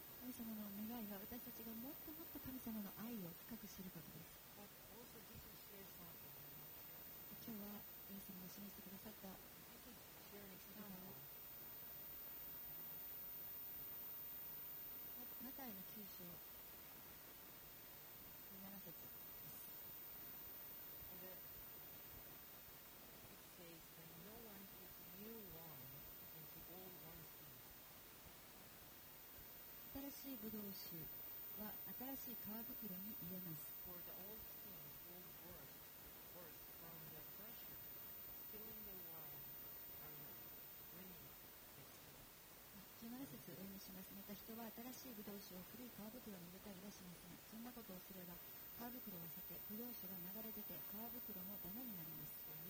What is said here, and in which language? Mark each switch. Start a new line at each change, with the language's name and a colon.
Japanese: 神様の願いは、私たちがもっともっと神様の愛を深く知ることです。今日は、イエス様が示してくださった、マタイの9章。
English: And it says that no one puts new wine into old wineskins.
Japanese: 新しいブドウ酒は新しい皮袋に入れます。
English: For the old skins will burst forth from the pressure, filling the wine and bringing it to
Japanese: 17節を読みします。また人は新しいブドウ酒を古い皮袋に入れたりはしません。そんなことをすれば、皮袋を裂け、ブドウ酒が流れ出て、皮袋もダメになります。